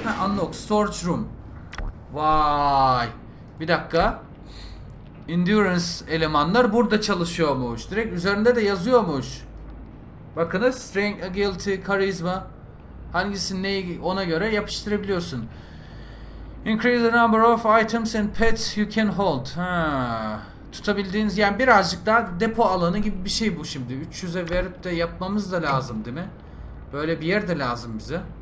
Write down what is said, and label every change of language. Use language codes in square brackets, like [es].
[tr] Ha, unlock. Storage room. Vay. Bir dakika. Endurance elemanlar burada çalışıyormuş. Direkt üzerinde de yazıyormuş. Bakınız. Strength, agility, charisma. Hangisini neyi ona göre yapıştırabiliyorsun. [en] Increase the number of items and pets you can hold. Ha. [tr] Tutabildiğiniz, yani birazcık daha depo alanı gibi bir şey bu şimdi. 300'e verip de yapmamız da lazım değil mi? Böyle bir yer de lazım bize.